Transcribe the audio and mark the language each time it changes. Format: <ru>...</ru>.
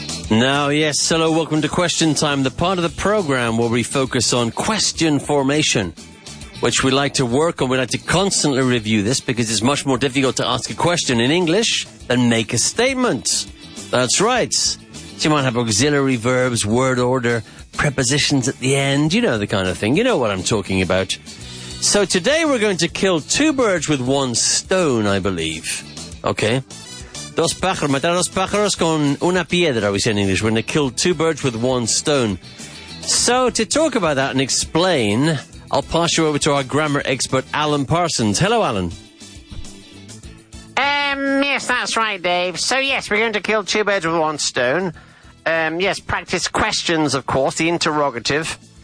<en>Now, yes, hello, welcome to Question Time, the part of the program where we focus on question formation, which we like to work on. We like to constantly review this because it's much more difficult to ask a question in English than make a statement. That's right. So you might have auxiliary verbs, word order, prepositions at the end, you know, the kind of thing. You know what I'm talking about. So today we're going to kill two birds with one stone, I believe. Okay.</en> <es>Dos pájaros, matar dos pájaros con una piedra,</es> <en>we say in English. We're going to kill two birds with one stone. So, to talk about that and explain, I'll pass you over to our grammar expert, Alan Parsons. Hello, Alan. Yes, that's right, Dave. So, yes, we're going to kill two birds with one stone. Yes, practice questions, of course, the interrogative.</en>